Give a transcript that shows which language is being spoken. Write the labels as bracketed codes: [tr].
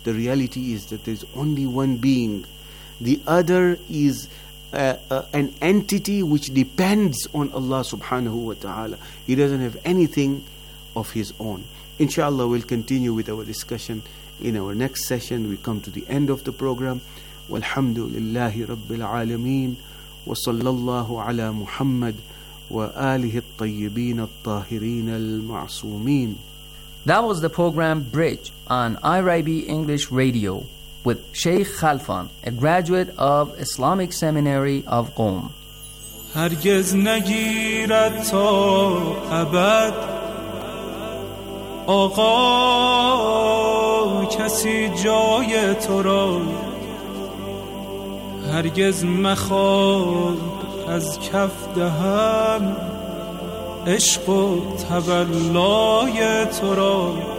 [en] The reality is that there is only one being. The other is an entity which depends on Allah subhanahu wa ta'ala. He doesn't have anything of his own. Inshallah, we'll continue with our discussion in our next session. We come to the end of the program. [ar] والحمد لله رب العالمين وصلى الله على محمد وآله الطيبين الطاهرين المعصومين. [en] That was the program Bridge on IRIB English Radio with Sheikh Khalfan, a graduate of Islamic Seminary of Qom. [fa] هرگز نگیرد تا ابد آقا کسی جای تو را هرگز مخواد از کف دهم عشق و تولای تو را